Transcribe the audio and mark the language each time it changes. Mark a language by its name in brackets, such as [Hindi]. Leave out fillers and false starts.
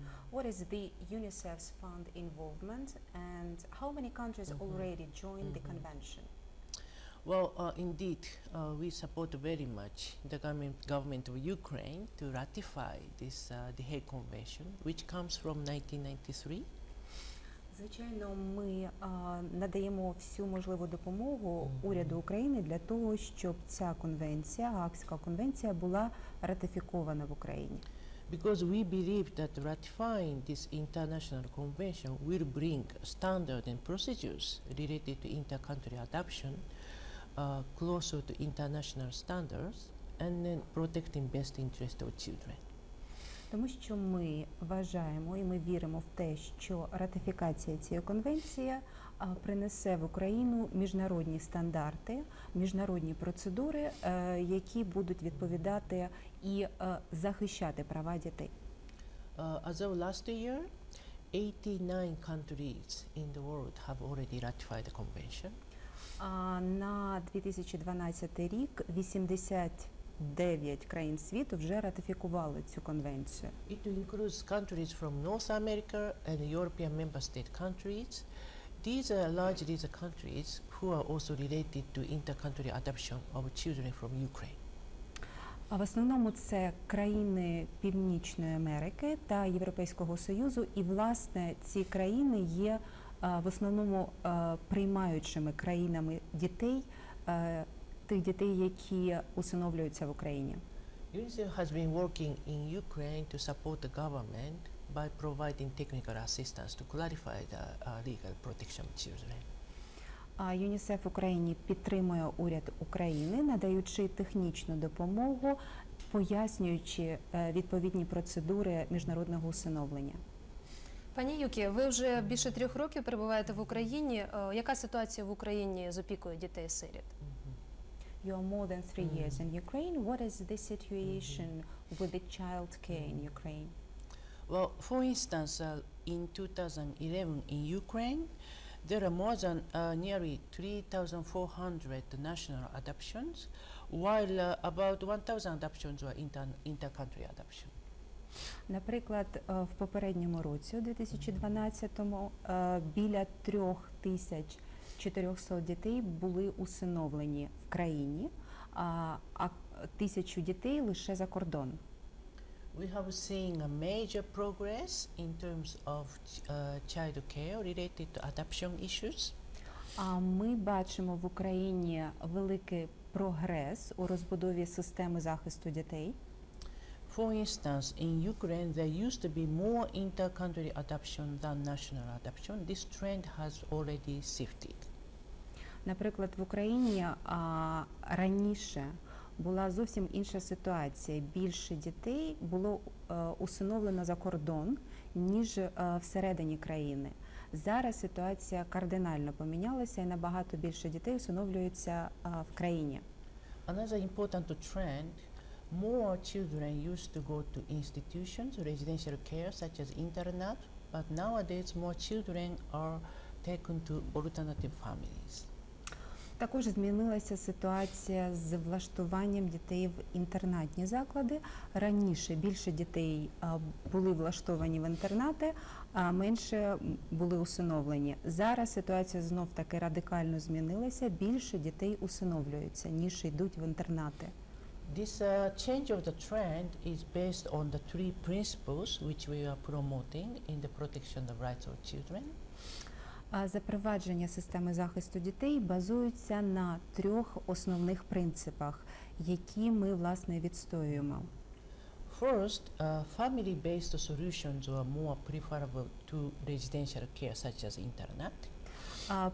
[English] What is the UNICEF's fund involvement and how many countries already joined the convention? Well, indeed, we support very much the government of Ukraine to ratify this the Hague Convention, which comes from 1993. [Ukrainian] Звичайно, ми надаємо всю можливу допомогу уряду України для того, щоб ця конвенція, Гаазька конвенція, була ратифікована в Україні. [English] Because we believe that ratifying this international convention will bring standard and procedures related to inter-country adoption closer to international standards and then protecting best interest of children. [Ukrainian] Тому що ми вважаємо і ми віримо в те, що ратифікація цієї конвенції принесе в Україну міжнародні стандарти, міжнародні процедури, які будуть відповідати і захищати права дітей. [English] As of last year, 89 countries in the world have already ratified the convention. [Ukrainian] На 2012 рік 89 країн світу вже ратифікували цю конвенцію. [English] It includes countries from North America and European member state countries. These are largely the countries who are also related to inter-country adoption of children from Ukraine. [Ukrainian] А в основному це країни Північної Америки та Європейського Союзу, і власне ці країни є в основному приймаючими країнами дітей, тих дітей, які усиновлюються в Україні. [English] UNICEF has been working in Ukraine to support the government by providing technical assistance to clarify the legal protection of children. [Ukrainian] UNICEF в Україні підтримує уряд України, надаючи технічну допомогу, пояснюючи відповідні процедури міжнародного усиновлення. Пані Юкі, ви вже більше 3 років перебуваєте в Україні. Яка ситуація в Україні з опікою дітей-сиріт? [English] You are more than 3 years in Ukraine. What is the situation with the child care in Ukraine? Well, for instance, in 2011 in Ukraine, there are more than nearly 3,400 national adoptions, while about 1,000 adoptions were inter-country adoption. [Ukrainian] Наприклад, в попередньому році, у 2012-му, біля 3400 дітей були усиновлені в країні, а 1000 дітей лише за кордон. [English] We have seen a major progress in terms of child care related to adoption issues. [Ukrainian] Ми бачимо в Україні великий прогрес у розбудові системи захисту дітей. [English] For instance, in Ukraine there used to be more inter-country adoption than national adoption. This trend has already shifted. [Ukrainian] Наприклад, в Україні раніше була зовсім інша ситуація. Більше дітей було усиновлено за кордон, ніж всередині країни. Зараз ситуація кардинально помінялася і набагато більше дітей усиновлюється в країні. [English] Another important trend – more children used to go to institutions, residential care, such as internat, but nowadays more children are taken to alternative families. [Ukrainian] Також змінилася ситуація з влаштуванням дітей в інтернатні заклади. Раніше більше дітей були влаштовані в інтернати, а менше були усиновлені. Зараз ситуація знов-таки радикально змінилася. Більше дітей усиновлюються, ніж йдуть в інтернати. [English] This change of the trend is based on the 3 principles which we are promoting in the protection of rights of children. [Ukrainian] Запровадження системи захисту дітей базується на 3 основних принципах, які ми, власне, відстоюємо. [English] First, family-based solutions are more preferable to residential care, such as internat.